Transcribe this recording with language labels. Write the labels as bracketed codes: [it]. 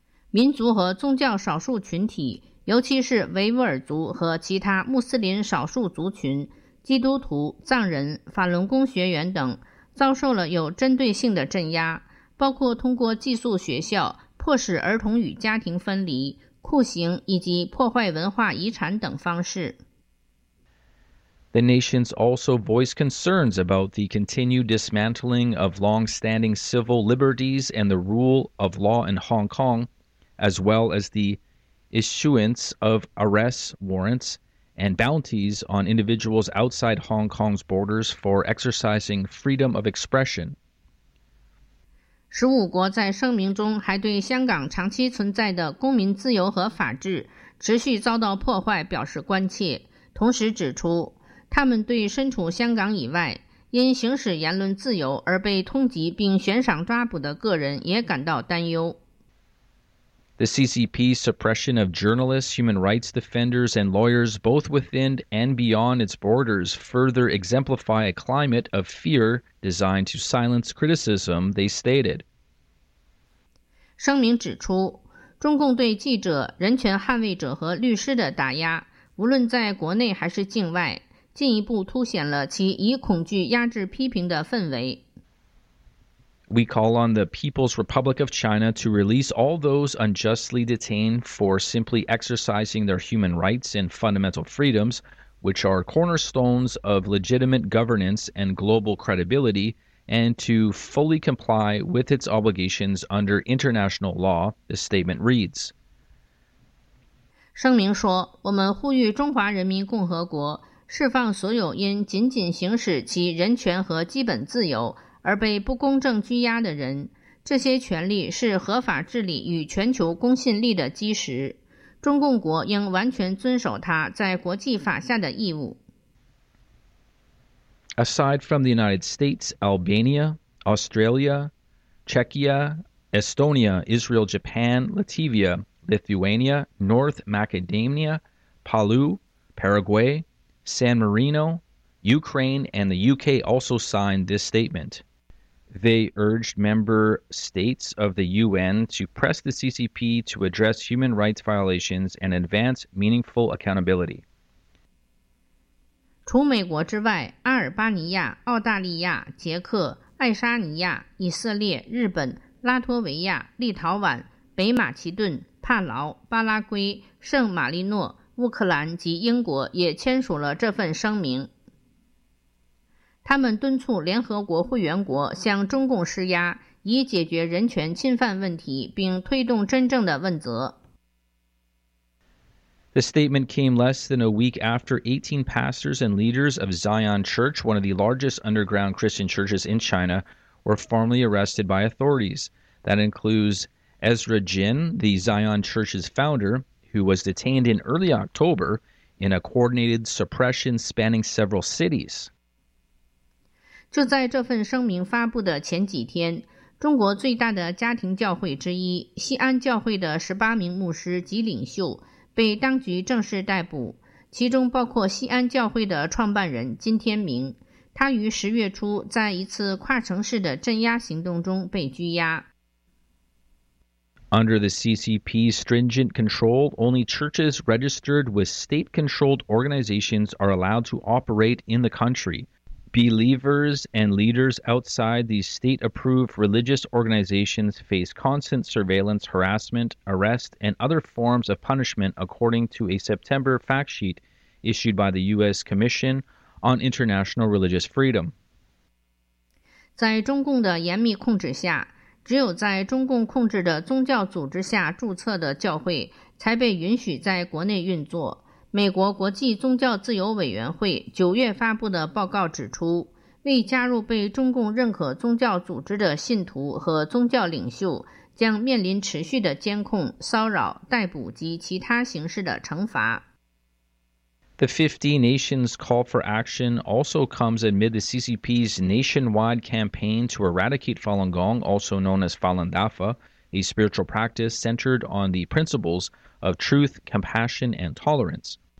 [zh] 民族和宗教少数群体，尤其是维吾尔族和其他穆斯林少数族群、基督徒、藏人、法轮功学员等，遭受了有针对性的镇压，包括通过寄宿学校、迫使儿童与家庭分离、酷刑以及破坏文化遗产等方式。 [en] The nations also voiced concerns about the continued dismantling of long-standing civil liberties and the rule of law in Hong Kong, as well as the issuance of arrests, warrants, and bounties on individuals outside Hong Kong's borders for exercising freedom of expression. [zh] 15国在声明中还对香港长期存在的公民自由和法治持续遭到破坏表示关切，同时指出他们对身处香港以外因行使言论自由而被通缉并悬赏抓捕的个人也感到担忧。 [en] The CCP's suppression of journalists, human rights defenders, and lawyers both within and beyond its borders further exemplify a climate of fear designed to silence criticism, they stated. [zh] 声明指出，中共对记者、人权捍卫者和律师的打压，无论在国内还是境外，进一步凸显了其以恐惧压制批评的氛围。 [en] We call on the People's Republic of China to release all those unjustly detained for simply exercising their human rights and fundamental freedoms, which are cornerstones of legitimate governance and global credibility, and to fully comply with its obligations under international law, the statement reads. [zh] 声明说，我们呼吁中华人民共和国释放所有因仅仅行使其人权和基本自由而被不公正拘押的人，这些权利是合法治理与全球公信力的基石，中共国应完全遵守它在国际法下的义务。 [en] Aside from the United States, Albania, Australia, Czechia, Estonia, Israel, Japan, Latvia, Lithuania, North Macedonia, Palau, Paraguay, San Marino, Ukraine, and the UK also signed this statement. They urged member states of the UN to press the CCP to address human rights violations and advance meaningful accountability. [zh] 除美国之外，阿尔巴尼亚、澳大利亚、捷克、爱沙尼亚、以色列、日本、拉脱维亚、立陶宛、北马其顿、帕劳、巴拉圭、圣马力诺、乌克兰及英国也签署了这份声明。他们敦促联合国会员国向中共施压，以解决人权侵犯问题，并推动真正的问责。 [en] The statement came less than a week after 18 pastors and leaders of Zion Church, one of the largest underground Christian churches in China, were formally arrested by authorities. That includes Ezra Jin, the Zion Church's founder, who was detained in early October in a coordinated suppression spanning several cities. [zh] 就在这份声明发布的前几天，中国最大的家庭教会之一，西安教会的18名牧师及领袖被当局正式逮捕，其中包括西安教会的创办人金天明，他于10月初在一次跨城市的镇压行动中被拘押。 [en] Under the CCP's stringent control, only churches registered with state-controlled organizations are allowed to operate in the country. Believers and leaders outside these state-approved religious organizations face constant surveillance, harassment, arrest, and other forms of punishment, according to a September fact sheet issued by the U.S. Commission on International Religious Freedom. [zh] 在中共的严密控制下，只有在中共控制的宗教组织下注册的教会才被允许在国内运作。美国国际宗教自由委员会9月发布的报告指出，未加入被中共认可宗教组织的信徒和宗教领袖将面临持续的监控、骚扰、逮捕及其他形式的惩罚。 [en] The 50 nations call for action also comes amid the CCP's nationwide campaign to eradicate Falun Gong, also known as Falun Dafa, a spiritual practice centered on the principles of truth, compassion, and tolerance.